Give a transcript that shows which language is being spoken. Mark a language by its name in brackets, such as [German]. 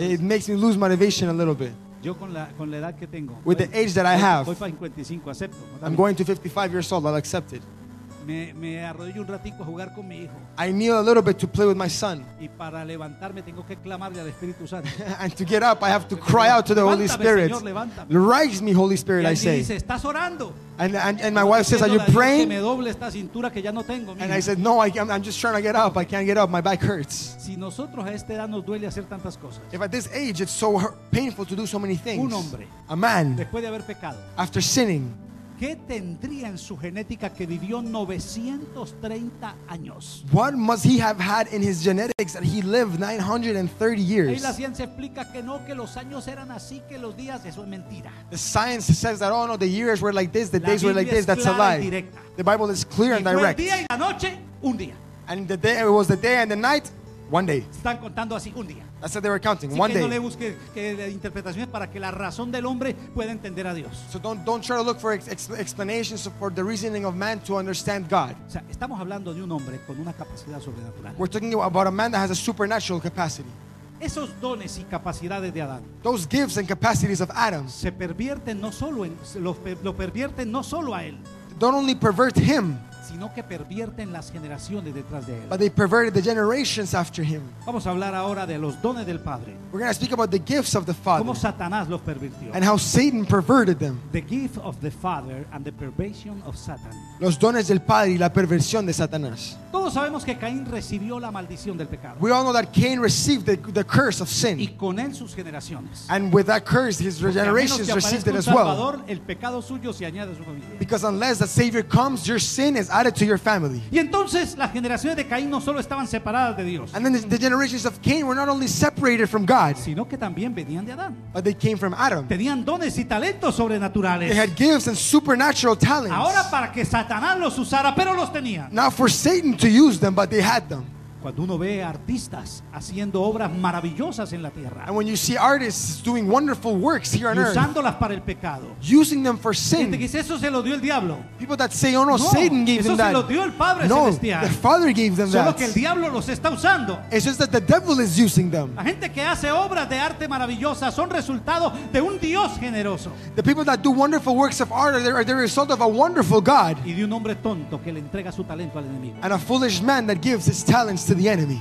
[English] it makes me lose motivation a little bit. [Spanish] Yo con la edad que tengo, [English] with the age that I have, [Spanish] voy para 55, acepto, [English] I'm going to 55 years old, I'll accept it. [Spanish] Me arrodillo un ratico a jugar con mi hijo. [English] I kneel a little bit to play with my son. [Spanish] Y para levantarme tengo que clamarle al Espíritu Santo. [English] And to get up, I have to cry out to the Holy Spirit. Rise me, Holy Spirit, I say. [Spanish] Y dice, ¿estás orando? [English] And my wife says, are you praying? [Spanish] Que me doble esta cintura que ya no tengo. [English] And I said, no, I'm just trying to get up. I can't get up. My back hurts. [Spanish] Si nosotros a esta edad nos duele hacer tantas cosas. [English] If at this age it's so painful to do so many things. [Spanish] Un hombre. [English] A man. [Spanish] Después de haber pecado. [English] After sinning. [Spanish] ¿Qué tendría en su genética que vivió 930 años? [English] What must he have had in his genetics that he lived 930 years? [Spanish] Ahí la ciencia explica que no, que los años eran así, que los días, eso es mentira. [English] The science says that, oh no, the years were like this, the days were like this, that's a lie. The Bible is clear and direct. [Spanish] Y el día y la noche, un día. [English] And the day, it was the day and the night, one day. [Spanish] Están contando así, un día. [English] That's what they were counting. [Spanish] Así [English] one day. [Spanish] No le busque que interpretaciones para que la razón del hombre pueda entender a Dios. [English] So don't try to look for explanations for the reasoning of man to understand God. [Spanish] O sea, estamos hablando de un hombre con una capacidad sobrenatural. [English] We're talking about a man that has a supernatural capacity. [Spanish] Esos dones y capacidades de Adán. [English] Those gifts and capacities of Adam. [Spanish] Se pervierten no solo en lo pervierten no solo a él. [English] Don't only pervert him. [Spanish] Sino que pervierten las generaciones detrás de él. [English] But they perverted the generations after him. [Spanish] Vamos a hablar ahora de los dones del Padre. [English] We're going to speak about the gifts of the Father. [Spanish] Cómo Satanás los pervirtió. [English] And how Satan perverted them. The gift of the Father and the perversion of Satan. [Spanish] Los dones del Padre y la perversión de Satanás. Todos sabemos que Caín recibió la maldición del pecado. [English] We all know that Cain received the curse of sin. [Spanish] Y con él sus generaciones. [English] And with that curse, his [Spanish] porque [English] generations received it as [Spanish] Salvador, [English] well. [Spanish] Porque el pecado suyo se añade a su familia. [English] Because unless the Savior comes, your sin is added to your family. [Spanish] Y entonces las generaciones de Caín no solo estaban separadas de Dios. [English] And then the generations of Cain were not only separated from God, [Spanish] sino que también venían de Adán. [English] But they came from Adam. [Spanish] Tenían dones y talentos sobrenaturales. [English] They had gifts and supernatural talents. [Spanish] Ahora para que Satanás los usara, pero los tenía. [English] Now for Satan to use them, but they had them. [Spanish] Cuando uno ve artistas haciendo obras maravillosas en la tierra. [English] And when you see artists doing wonderful works here on earth. [Spanish] Usándolas para el pecado. [English] Using them for sin. [Spanish] Gente que dice, eso se lo dio el diablo. [English] People that say, oh no, Satan gave them that. [Spanish] Eso se lo dio el Padre Celestial. [English] No, the Father gave them that. [Spanish] Solo que el diablo los está usando. [English] It's just that the devil is using them. [Spanish] La gente que hace obras de arte maravillosas son resultado de un Dios generoso. [English] The people that do wonderful works of art are the result of a wonderful God. [Spanish] Y de un hombre tonto que le entrega su talento al enemigo. [English] And a foolish man that gives his talents to the enemy.